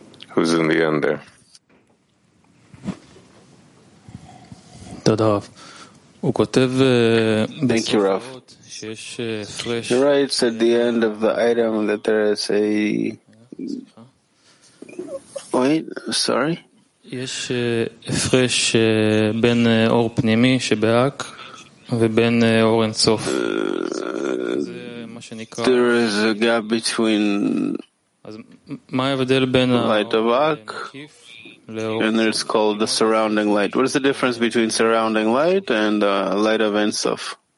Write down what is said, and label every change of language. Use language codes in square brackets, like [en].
[en] Who's in the end there? Tadav. Thank you, Rav. He writes at the end of the item that there is a... Wait, sorry? [he] יש הפרש בין אור פנימי שבאק ובין אור אינסוף. [en] There is a gap between light of Ak and it's called the surrounding light. What is the difference between surrounding light and light of Ensof?